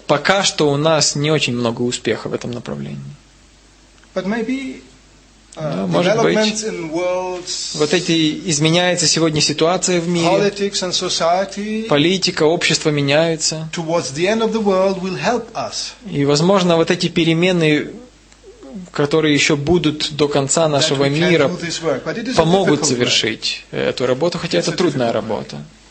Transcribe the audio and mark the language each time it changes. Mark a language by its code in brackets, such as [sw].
[ru] Пока что у нас не очень много успеха в этом направлении. [en] But maybe developments in world. [ru] Вот эти изменяется сегодня ситуация в мире. [en] Politics and society. [ru] Политика, общество меняется. [en] Towards the end of the world will help us. [ru] И возможно вот эти перемены, которые еще будут до конца нашего мира, помогут завершить эту работу, хотя это трудная работа.